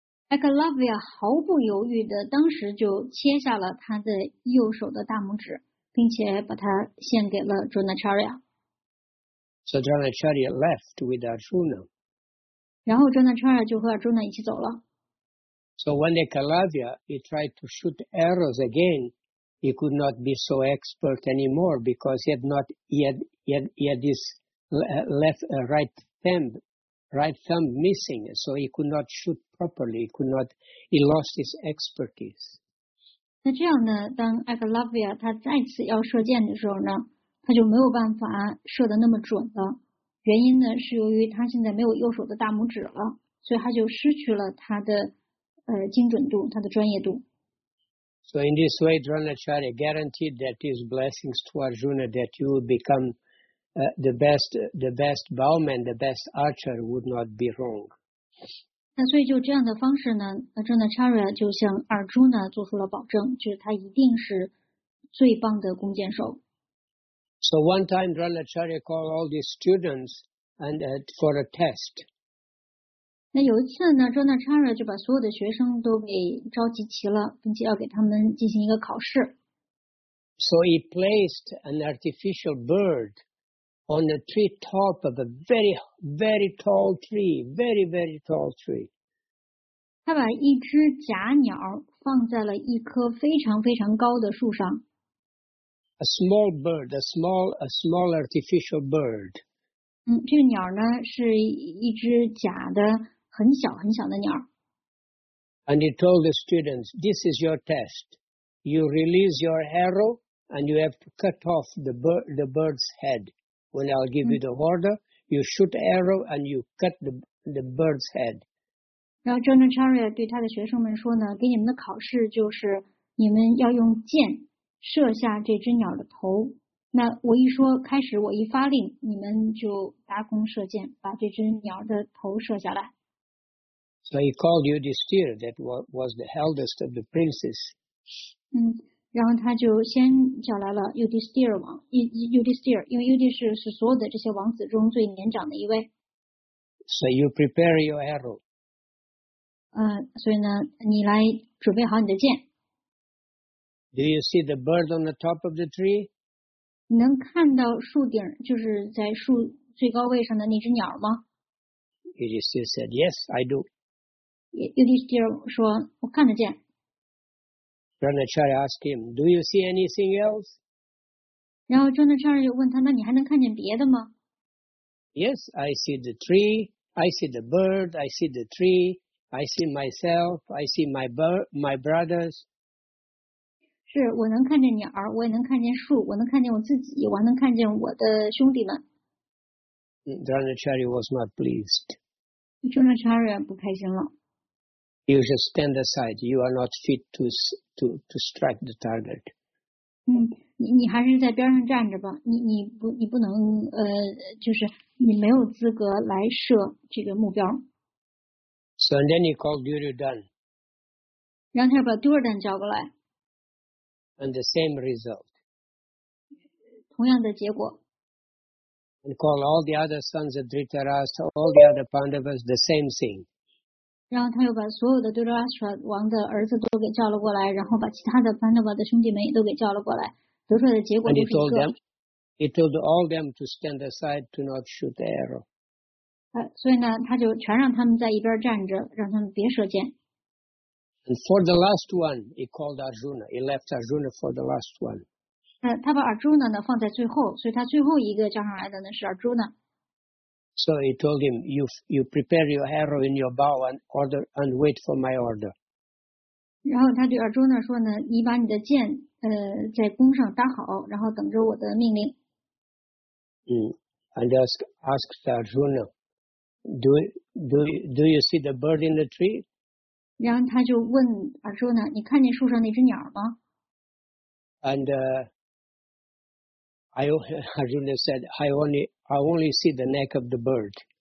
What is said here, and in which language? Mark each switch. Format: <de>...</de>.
<zh>Calavia 毫不犹豫的，当时就切下了他的右手的大拇指，并且把它献给了 Dronacharya。</zh> <en>So Dronacharya left with Arjuna.</en> <zh>然后真的川尔就和阿朱娜一起走了。</zh> <en>So when the Kalavya, he tried to shoot arrows again, he could not be so expert anymore because he had his right thumb missing, so he could not shoot properly, he lost his expertise.</en> <zh>那这样呢，当 Agalavia 他再次要射箭的时候呢，他就没有办法射得那么准了。原因呢，是由于他现在没有右手的大拇指了，所以他就失去了他的精准度，他的专业度。</zh> <en>So in this way, Dronacharya guaranteed that his blessings to Arjuna, that you will become the best bowman, the best archer, would not be wrong.</en> <zh>那所以就这样的方式呢，Dronacharya 就向Arjuna做出了保证，就是他一定是最棒的弓箭手。</zh> <en>So one time, Dronacharya called all these students and for a test.</en> <zh>那有一次呢，Dronacharya就把所有的学生都给召集齐了，并且要给他们进行一个考试。</zh> <en>So he placed an artificial bird on the tree top of a very, very tall tree, very, very tall tree.</en> <zh>他把一只假鸟放在了一棵非常非常高的树上。</zh> <en>A small bird, a small artificial bird.</en> <zh>这个鸟呢是一只假的很小很小的鸟。</zh> <en>And he told the students, this is your test. You release your arrow and you have to cut off the bird's head. When I'll give you the order, you shoot arrow and you cut the bird's head.</en> <zh>然后 Dronacharya 对他的学生们说呢，给你们的考试就是你们要用箭射下这只鸟的头，那我一说开始，我一发令，你们就搭弓射箭，把这只鸟的头射下来。</zh> <en>So he called Yudhisthira, that was the eldest of the princes.</en> <zh>然后他就先叫来了 Yudhisthira 王 Yudhisthira, 因为 Yudhisthira 是所有的这些王子中最年长的一位。</zh> <en>So you prepare your arrow.</en> <zh>所以呢，你来准备好你的箭。</zh> <en>Do you see the bird on the top of the tree?</en> <zh>能看到树顶，就是在树最高位上的那只鸟吗？</zh> <en>Yudhisthira said, yes, I do.</en> <zh>Yudhisthira 说，我看得见。</zh> <en>Dronacharya asked him, do you see anything else?</en> <zh>然后 Dronacharya 就问他，那你还能看见别的吗？</zh> <en>Yes, I see the tree, I see the bird, I see the tree, I see myself, I see my brothers.</en> <zh>是，我能看见鸟，我也能看见树，我能看见我自己，我还能看见我的兄弟们。</zh> <en>Dronacharya was not pleased.</en> <zh>Dronacharya 不开心了。</zh> <en>You should stand aside. You are not fit to strike the target.</en> <zh>你还是在边上站着吧。你不能就是你没有资格来射这个目标。</zh> <en>So and then he called Duryodhana.</en> <zh>然后他把 Duryodhana 叫过来。</zh> <en>And the same result.</en> <zh>同样的结果。</zh> <en>And called all the other sons of Dhritarashtra, all the other Pandavas, the same thing.</en> <zh>然后他又把所有的 Dhritarashtra 王的儿子都给叫了过来，然后把其他的 Pandava 的兄弟们也都给叫了过来，得出来的结果就是一个。</zh> <en>And he told all them to stand aside to not shoot the arrow.</en> <zh>所以呢，他就全让他们在一边站着，让他们别射箭。</zh> <en>And for the last one, he called Arjuna. He left Arjuna for the last one.</en> <zh>他把 Arjuna 呢放在最后，所以他最后一个叫上来的呢是 Arjuna。</zh> <en>So he told him, you prepare your arrow in your bow and order and wait for my order.</en> <zh>然后他对 Arjuna 说呢，你把你的箭在弓上搭好，然后等着我的命令。</zh> <en>And asked Arjuna, do you see the bird in the tree?</en> <zh>然后他就问 Arjuna, 你看见树上那只鸟吗？</zh> <en>And Arjuna said, I only see the neck of the bird.</en>